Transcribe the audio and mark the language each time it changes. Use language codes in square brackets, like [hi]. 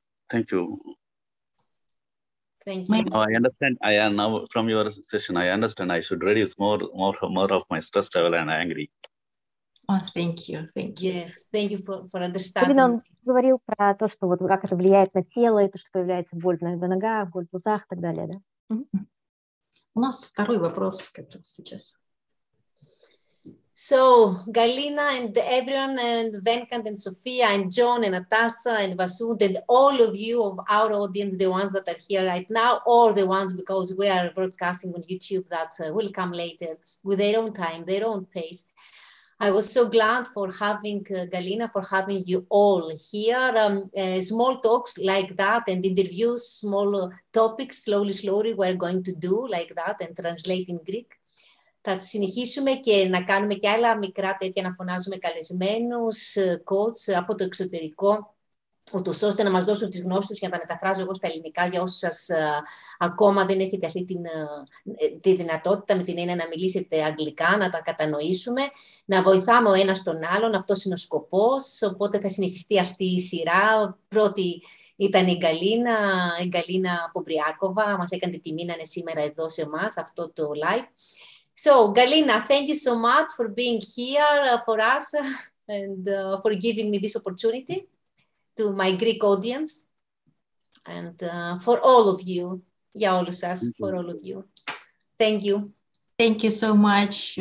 [en] Thank you. Thank you. Now I understand. I am now from your session. I understand. I should reduce more of my stress level and angry. Thank you. Yes, thank you for understanding. [ru] Он говорил про то, что вот как это влияет на тело, и то, что появляется боль на ногах, боль в глазах и так далее, да? У нас второй вопрос как раз сейчас. [en] So, Galina and everyone and Venkat and Sophia and John and Atassa and Vasud and all of you of our audience, the ones that are here right now, or the ones because we are broadcasting on YouTube that will come later with their own time, their own pace. I was so glad for having Galina, for having you all here. Small talks like that and interviews, small topics, slowly, slowly, we're going to do like that and translate in Greek. [el] Θα συνεχίσουμε και να κάνουμε και άλλα μικρά τέτοια, να φωνάζουμε καλεσμένους, coach από το εξωτερικό, ούτως ώστε να μας δώσουν τις γνώσεις τους και να τα μεταφράζω εγώ στα ελληνικά για όσους σας ακόμα δεν έχετε αυτή τη δυνατότητα με την έννοια να μιλήσετε αγγλικά, να τα κατανοήσουμε, να βοηθάμε ο ένας τον άλλον, αυτός είναι ο σκοπός, οπότε θα συνεχιστεί αυτή η σειρά. Πρώτη ήταν η Γκαλίνα Πομπριάκοβα, μας έκανε τη τιμή να είναι σήμερα εδώ σε εμάς αυτό το live. [en] So, Galina, thank you so much for being here for us and for giving me this opportunity to my Greek audience and for all of you, [el] για όλους σας, [en] for all of you. Thank you. Thank you so much.